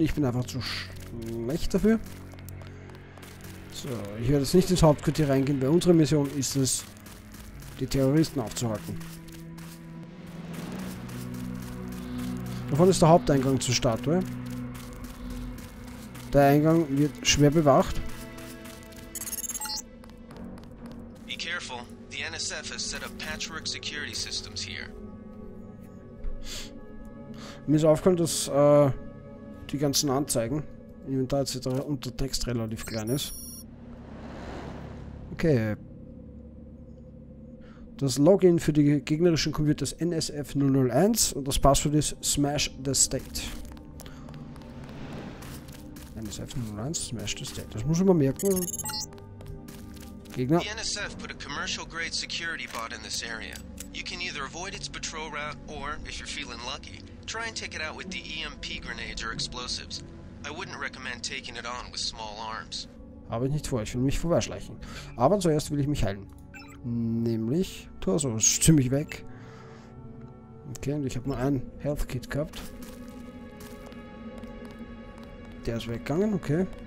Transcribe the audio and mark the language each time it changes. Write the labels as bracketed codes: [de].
[de] Ich bin einfach zu schlecht dafür. So, ich werde jetzt nicht ins Hauptquartier reingehen, weil unsere Mission ist es, die Terroristen aufzuhalten. Davon ist der Haupteingang zur Statue. Der Eingang wird schwer bewacht. [en] Be careful. The NSF has set up patchwork security systems here. [de] Mir ist aufgefallen, dass die ganzen Anzeigen Inventar etc. und der Text relativ klein ist. Okay. Das Login für die gegnerischen Computer ist NSF001 und das Passwort ist Smash the State. NSF001, Smash the State. Das muss ich mal merken. Gegner. [en] The NSF put a commercial grade security bot in this area. You can either avoid its patrol route or, if you're feeling lucky, try and take it out with the EMP grenades or explosives. I wouldn't recommend taking it on with small arms. [de] Habe ich nicht vor, ich will mich vorbeischleichen. Aber zuerst will ich mich heilen. Nämlich Torso ist ziemlich weg. Okay, und ich habe nur ein Health Kit gehabt. Der ist weggegangen, okay.